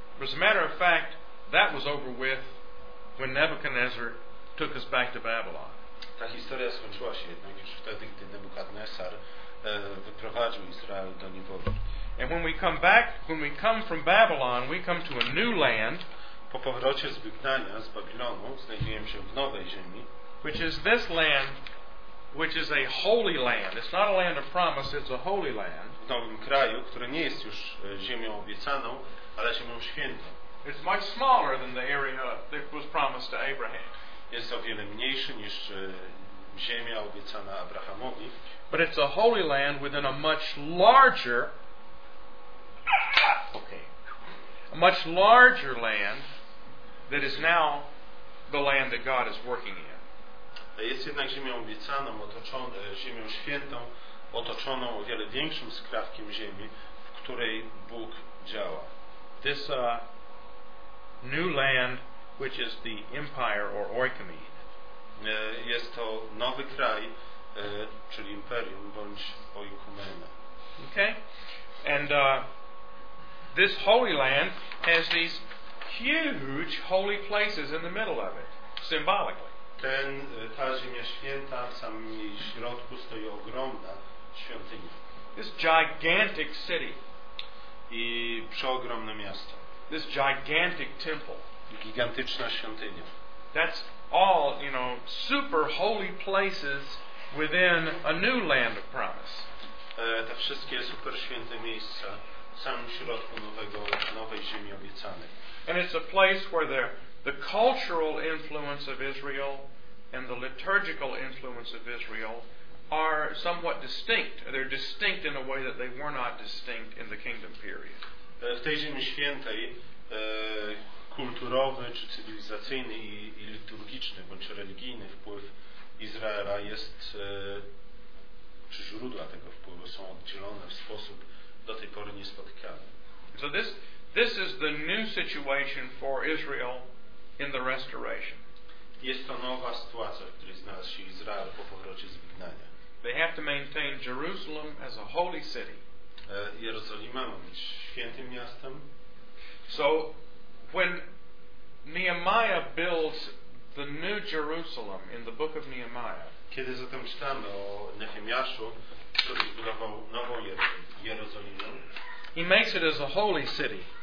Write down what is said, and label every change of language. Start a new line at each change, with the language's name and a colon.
English: But as a matter of fact, that was over with when Nebuchadnezzar took us back to Babylon.
Polish: Ta historia skończyła się jednak już wtedy, gdy Nebukadnesar wyprowadził Izrael do niewoli.
English: And when we come from Babylon, we come to a new land.
Polish: Po powrocie z wygnania z Babilonu znajdujemy się w nowej ziemi.
English: Which is this land, which is a holy land. It's not a land of promise, it's a holy land.
Polish: W nowym kraju, który nie jest już ziemią obiecaną, ale ziemią świętą.
English: It's much smaller than the area that was promised to Abraham.
Polish: Jest o wiele mniejszy niż ziemia obiecana Abrahamowi.
English: But it's a holy land within a much larger a much larger land that is now the land that God is working in.
Polish: Jest jednak ziemią obiecaną, otoczoną ziemią świętą, otoczoną o wiele większym skrawkiem ziemi, w której Bóg działa.
English: This new land, which is the empire or oikumene.
Polish: Jest to nowy kraj, czyli imperium bądź oikumene.
English: Okay, and this holy land has these huge holy places in the middle of it, symbolically.
Polish: Ta ziemia święta w samym jej środku stoi ogromna świątynia.
English: This gigantic city.
Polish: I przeogromne miasto.
English: This gigantic temple.
Polish: Gigantyczna świątynia.
English: That's all, you know, super holy places within a new land of promise.
Polish: Te wszystkie super święte miejsca w samym środku nowej ziemi obiecanej.
English: And it's a place where the cultural influence of Israel and the liturgical influence of Israel are somewhat distinct. They're distinct in a way that they were not distinct in the kingdom period.
Polish: W tej ziemi świętej kulturowy czy cywilizacyjny i liturgiczny bądź religijny wpływ Izraela jest czy źródła tego wpływu są oddzielone w sposób do tej pory niespotykany.
English: So this This is the new situation for Israel in the restoration.
Polish: Jest to nowa sytuacja, w której znalazł się Izrael po powrocie z wygnania.
English: They have to maintain Jerusalem as a holy city.
Polish: Jerozolima ma być świętym miastem.
English: So when Nehemiah builds the new Jerusalem in the book of Nehemiah,
Polish: kiedy zatem czytamy o Nehemiaszu, który zbudował nową Jerozolimę,
English: he makes it as a holy city.